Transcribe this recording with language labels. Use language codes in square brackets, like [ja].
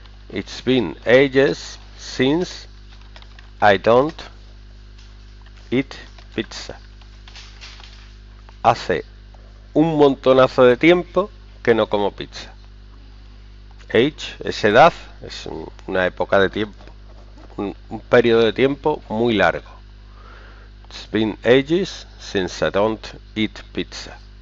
[en] It's been ages since I don't eat pizza. [es] Hace un montonazo de tiempo que no como pizza. Age es edad, es una época de tiempo, un periodo de tiempo muy largo. [en] It's been ages since I don't eat pizza.